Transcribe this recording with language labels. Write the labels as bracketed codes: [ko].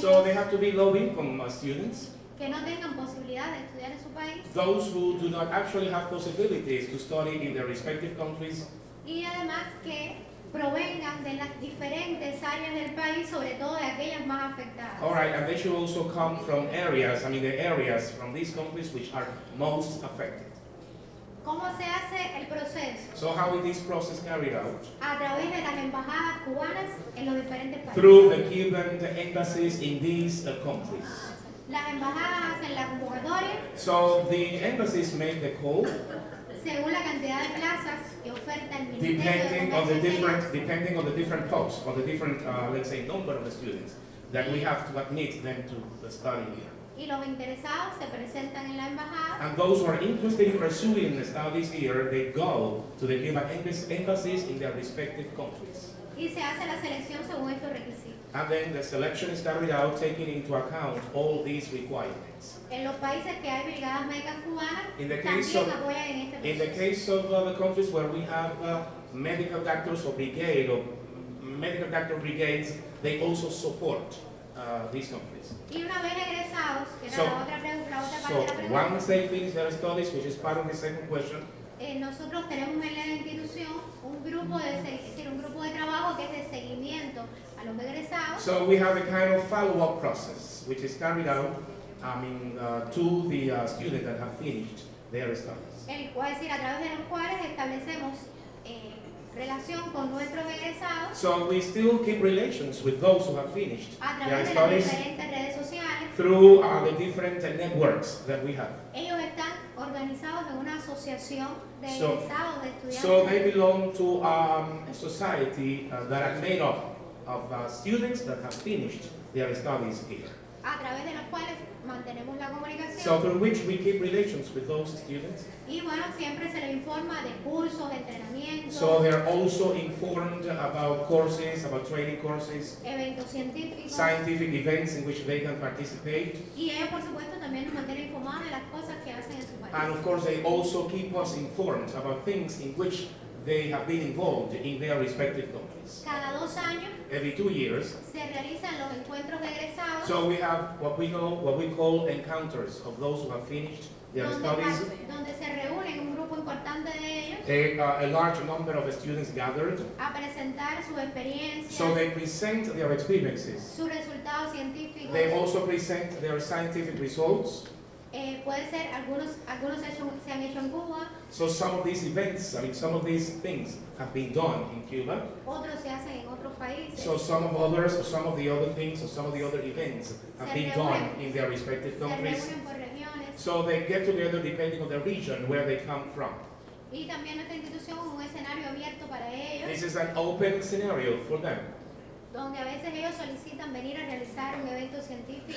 [en] So they have to be low income students. [es] Que no tengan posibilidad de estudiar en su país. [en] Those who do not actually have possibilities to study in their respective countries. [es] Y además que provengan de las diferentes áreas del país, sobre todo de aquellas más afectadas. [en] All right, and they should also come from areas, I mean the areas from these countries which are most affected. [es] ¿Cómo se hace el proceso? [en] So how is this process carried out? [es] A través de las embajadas cubanas en los diferentes países. [en] Through the Cuban embassies in these countries. [es] Las embajadas hacen la convocatoria. [en] So the embassies make the call. [es] Según la cantidad de plazas que oferta el ministerio. [en] Depending on the different posts, on the different, let's say, number of the students that we have to admit them to the study here. [es] Y los interesados se presentan en la embajada. [en] And those who are interested in pursuing the studies here, they go to the Cuban embassies in their respective countries. [es] Y se hace la selección según estos requisitos. [en] And then the selection is carried out taking into account all these requirements. [es] En los países que hay brigadas médicas cubanas, también apoyan en este proceso. [en] In the case of the countries where we have medical doctors or brigade or medical doctor brigades, they also support these companies. [es] Y una vez egresados, que era [en] Once they finish their studies, which is part of the second question. [es] Nosotros tenemos en la institución un grupo de trabajo que es de seguimiento a los egresados. [en] So we have a kind of follow-up process, which is carried out, to the students that have finished their studies. [es] A través de los cuales establecemos relación con nuestros egresados. [en] So we still keep relations with those who have finished their studies through the different networks that we have. [es] Ellos están organizados en una asociación de egresados, de estudiantes. [en] So they belong to a society that are made up of students that have finished their studies here. [es] A través de los cuales mantenemos la comunicación. [en] So through which we keep relations with those students. [es] Y bueno, siempre se les informa de cursos, de entrenamientos. [en] So they are also informed about courses, about training courses. [es] Eventos científicos. [en] Scientific events in which they can participate. [es] Y ellos, por supuesto, también nos mantienen informados de las cosas que hacen en su país. [en] And of course they also keep us informed about things in which they have been involved in their respective countries. [es] Cada dos años. [en] Every 2 years. [es] Se realizan los encuentros de egresados. [en] So we have what we call encounters of those who have finished their studies. [es] Donde se reúnen un grupo importante de ellos. [en] A large number of students gathered. [es] A presentar su experiencia. [en] So they present their experiences. [es] Sus resultados científicos. [en] They also present their scientific results. [es] Puede ser algunos se han hecho en Cuba. [en] So some of these events, I mean some of these things have been done in Cuba. [es] Otros se hacen en otros países. [en] So some of the other things or some of the other events have been done in their respective countries. [es] Se reúnen por regiones. [en] So they get together depending on the region where they come from. [es] Y también esta institución es un escenario abierto para ellos. [en] This is an open scenario for them. [es] Donde a veces ellos solicitan venir a realizar un evento científico.